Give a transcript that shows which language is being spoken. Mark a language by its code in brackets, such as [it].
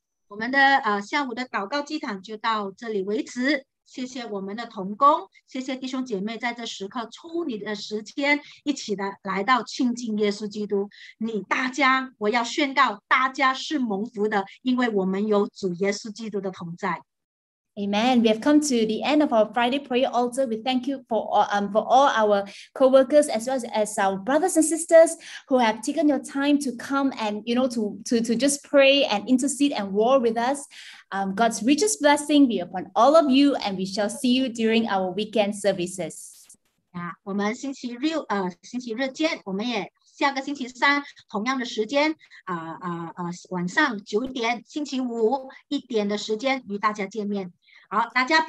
[zh] 我们的下午的祷告祭坛就到这里为止。谢谢我们的同工，谢谢弟兄姐妹在这时刻抽你的时间一起的来到亲近耶稣基督。你大家，我要宣告大家是蒙福的，因为我们有主耶稣基督的同在。 [en] Amen. We have come to the end of our Friday prayer altar. We thank you for all our co-workers as well as our brothers and sisters who have taken your time to come and, you know, to just pray and intercede and war with us. God's richest blessing be upon all of you, and we shall see you during our weekend services. [zh] Yeah, 我们星期日见，我们也下个星期三同样的时间，晚上9点，星期五1点的时间与大家见面。好，大家平。